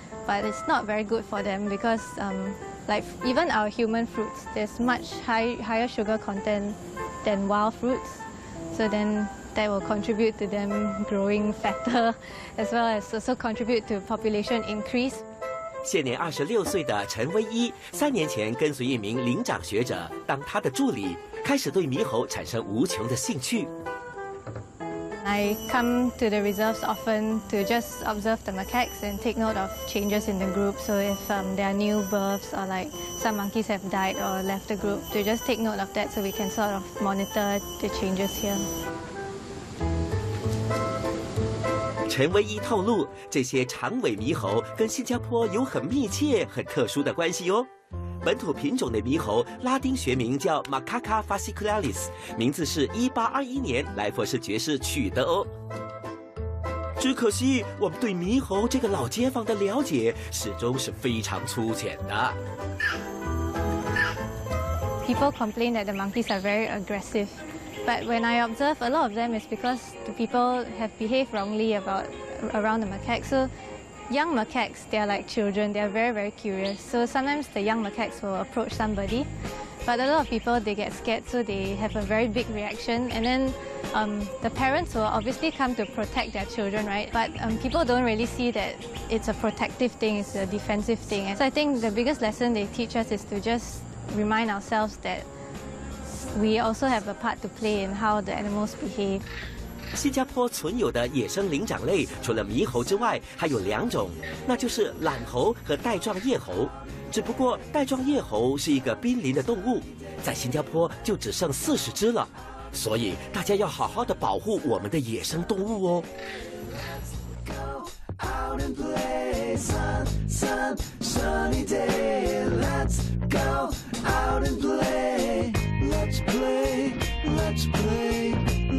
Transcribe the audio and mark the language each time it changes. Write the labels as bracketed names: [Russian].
[English] But it's not very good for them because like even our human fruits, there's much higher sugar content than wild fruits. So then that will contribute to them growing fatter as well as also contribute to population increase. [Chinese] 现年 26 岁的陈威一 3年前跟随一名灵长学者 当他的助理 开始对猕猴产生无穷的兴趣。 [English] I come to the reserves often to just observe the macaques and take note of changes in the group. So if there are new births or like some monkeys have died or left the group, to just take note of that so we can sort of monitor the changes here. [Chinese] 陈威一透露, 这些长尾猕猴跟新加坡有很密切、很特殊的关系哦。本土品种的猕猴拉丁学名叫Macaca fascicularis， 名字是1821年来佛士爵士取得哦。只可惜我们对猕猴这个老街坊的了解始终是非常粗浅的。 [English] People complain that the monkeys are very aggressive, but when I observe, a lot of them is because the people have behaved wrongly about around the macaques. So young macaques, they are like children, they are very, very curious. So sometimes the young macaques will approach somebody, but a lot of people, they get scared, so they have a very big reaction. And then the parents will obviously come to protect their children, right? But people don't really see that it's a protective thing, it's a defensive thing. So I think the biggest lesson they teach us is to just remind ourselves that we also have a part to play in how the animals behave. [Chinese] 新加坡存有的野生灵长类除了猕猴之外，还有两种，那就是懒猴和带状叶猴。只不过带状叶猴是一个濒临的动物，在新加坡就只剩40只了，所以大家要好好的保护我们的野生动物哦。